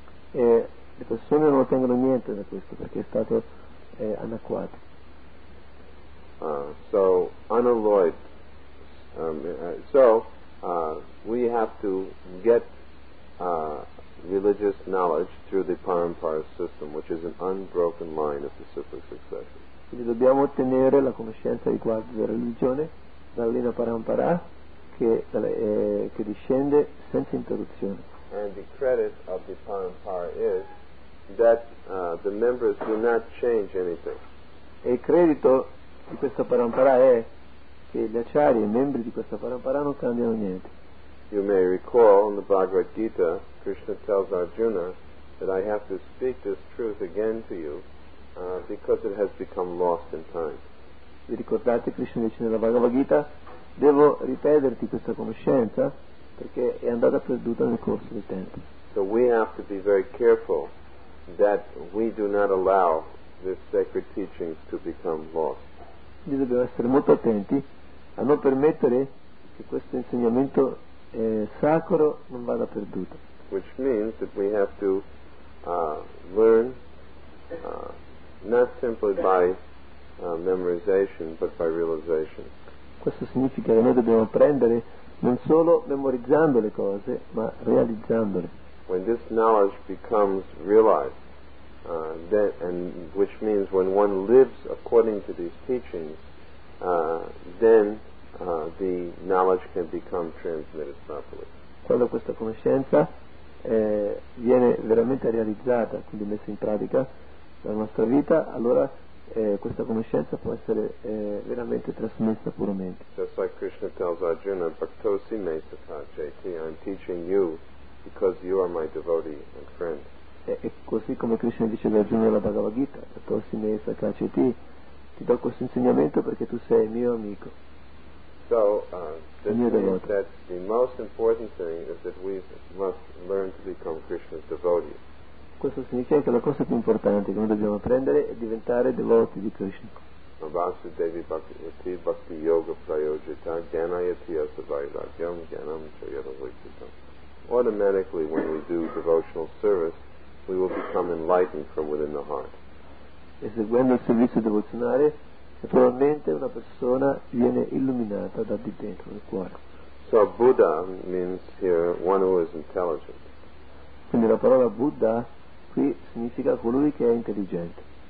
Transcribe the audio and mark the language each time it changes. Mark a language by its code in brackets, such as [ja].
[it] E le persone non ottengono niente da questo perché è stato anacquato. [en] So unalloyed. We have to get religious knowledge through the parampara system, which is an unbroken line of the super succession. [it] Quindi dobbiamo ottenere la conoscenza riguardo della religione dalla linea parampara che discende senza interruzione. [en] And the credit of the parampara is that the members do not change anything. [it] E il credito di questa parampara è che gli acciari e i membri di questa parampara non cambiano niente. [en] You may recall in the Bhagavad Gita Krishna tells Arjuna that I have to speak this truth again to you because it has become lost in time. [it] Vi ricordate Krishna dice nella Bhagavad Gita devo ripeterti questa conoscenza perché è andata perduta nel corso del tempo. [en] So we have to be very careful that we do not allow this sacred teaching to become lost. [it] Noi dobbiamo essere molto attenti a non permettere che questo insegnamento sacro non vada perduto. [en] Which means that we have to learn not simply by memorization but by realization. [it] Questo significa che noi dobbiamo apprendere non solo memorizzando le cose ma realizzandole. [en] When this knowledge becomes realized, then, and which means when one lives according to these teachings, then the knowledge can become transmitted properly. [it] Quando questa conoscenza viene veramente realizzata, quindi messa in pratica nella nostra vita, allora questa conoscenza può essere veramente trasmessa puramente. [en] Just like Krishna tells Arjuna, [sa] Bhaktosi Mesata Jati, [en] I'm teaching you because you are my devotee and friend. [it] E così come Krishna dice ad Arjuna nella Bhagavad Gita, [sa] Bhaktosi Mesata Jati, [it] ti do questo insegnamento perché tu sei mio amico. [en] So this means that the most important thing is that we must learn to become Krishna's devotee. [it] Questo significa che la cosa più importante che noi dobbiamo apprendere è diventare devoti di Krishna. [sa] Vasudevi bhakti bhakti yoga prayojita janayati asavairagyam janam chayaravaitam. [en] Automatically, when we do devotional service, we will become enlightened from within the heart. [it] Eseguendo il servizio devozionale, naturalmente una persona viene illuminata da di dentro nel cuore. [en] So Buddha means here one who is intelligent. [it] Quindi la parola Buddha qui significa colui che è intelligente.